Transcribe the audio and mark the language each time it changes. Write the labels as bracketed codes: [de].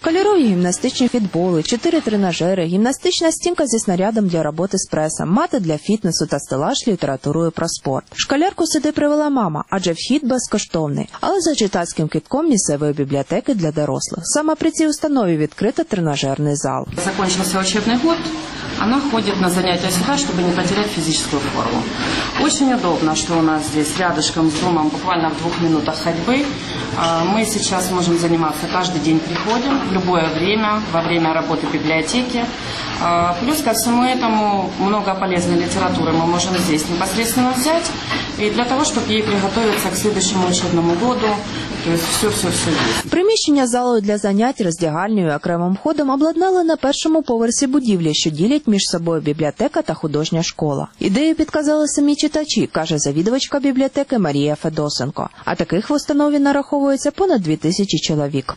[uk] Кольорові гімнастичні фітболи, 4 тренажери, гімнастична стінка зі снарядом для роботи з преса, мати для фітнесу та стелаж з літературою про спорт. Школярку сюди привела мама, адже вхід безкоштовний. Але за читацьким кидком місцевої бібліотеки для дорослих. Саме при цій установі відкрито тренажерний зал. [ru] Закінчився учебний год. Она ходит на занятия сюда, чтобы не потерять физическую форму. Очень удобно, что у нас здесь рядышком с домом, буквально в 2 минутах ходьбы. Мы сейчас можем заниматься, каждый день приходим, в любое время, во время работы библиотеки. Плюс ко всему этому, много полезной литературы мы можем здесь непосредственно взять. И для того, чтобы ей приготовиться к следующему учебному году, то есть все есть. [uk] Приміщення залою для занять, роздягальнею, окремим входом обладнали на першому поверсі будівлі, що ділять між собою бібліотека та художня школа. Ідею підказали самі читачі, каже завідувачка бібліотеки Марія Федосенко. А таких в установі нараховується понад 2000 чоловік.